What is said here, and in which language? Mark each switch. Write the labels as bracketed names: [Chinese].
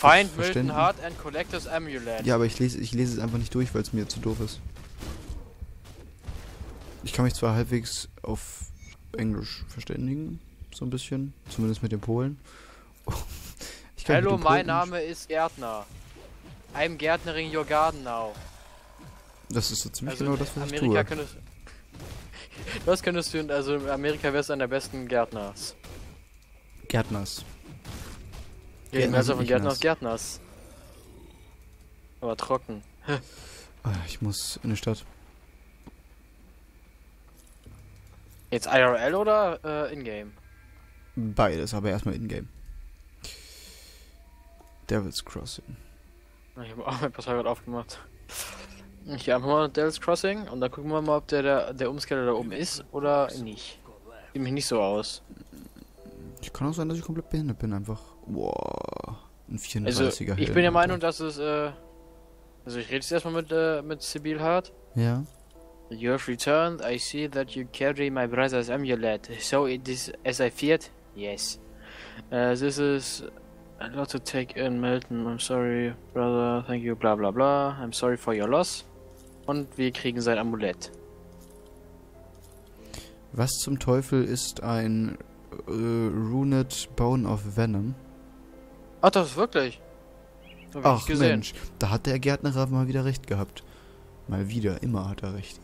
[German] verstehen. [English] Find Milton Hart and collect his amulet. [German] Ja, aber ich lese es einfach nicht durch, weil es mir zu doof ist. Ich kann mich zwar halbwegs auf Englisch verständigen, so ein bisschen, zumindest mit den Polen. Hallo, mein Name ist Gärtner. [English] I'm gärtnering your garden now. [German] Das ist so ziemlich genau das, was ich tue. Was könntest du, also in Amerika wärst du einer der besten Gärtners. Gärtners. Gärtners von Gärtners, Gärtners. Aber trocken. Ich muss in die Stadt. Jetzt IRL oder in-game? Beides, aber erstmal in-game. Devil's Crossing. Ich habe auch mein Portal gerade aufgemacht. Ich habe mal Devil's Crossing und dann gucken wir mal, ob der Umscaler da oben ist oder nicht. Sieht mich nicht so aus. Ich kann auch sein, dass ich komplett behindert bin, einfach. Boah, ein 34er Helm. Also, ich bin der Meinung, dass es, also ich rede jetzt erstmal mit Sibyl Hart. Ja. [English] You have returned. I see that you carry my brother's amulet. So it is as I feared. Yes. This is a lot to take in, Milton. I'm sorry, brother. Thank you. Bla bla bla. I'm sorry for your loss. [German] Und wir kriegen sein Amulett. Was zum Teufel ist ein Runed Bone of Venom? Ach, das ist wirklich? Ach Mensch, da hat der Gärtner mal wieder recht gehabt. Mal wieder, immer hat er recht.